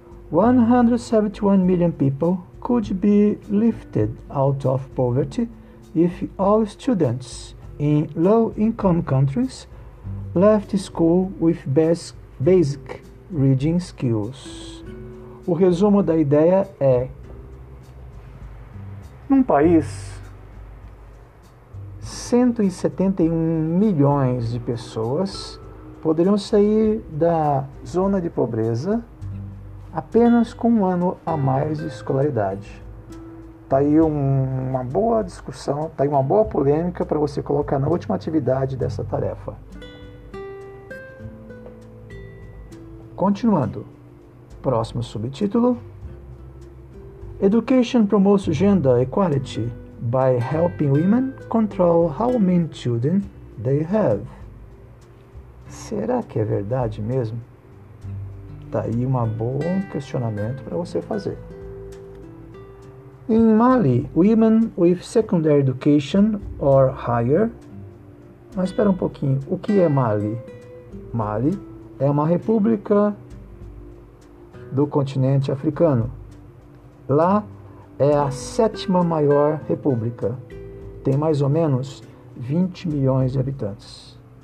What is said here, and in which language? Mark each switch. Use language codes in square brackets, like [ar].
[en] 171 million people could be lifted out of poverty if all students in low-income countries left school with basic reading skills. [pt] O resumo da ideia é: num país, 171 milhões de pessoas poderiam sair da zona de pobreza apenas com um ano a mais de escolaridade. Está aí uma boa discussão, está aí uma boa polêmica para você colocar na última atividade dessa tarefa. Continuando, próximo subtítulo. [en] Education promotes gender equality by helping women control how many children they have. [pt] Será que é verdade mesmo? Está aí um bom questionamento para você fazer. [en] In Mali, women with secondary education or higher. [pt] Mas espera um pouquinho, o que é Mali? Mali é uma república do continente africano. Lá é a sétima maior república. Tem mais ou menos 20 milhões de habitantes.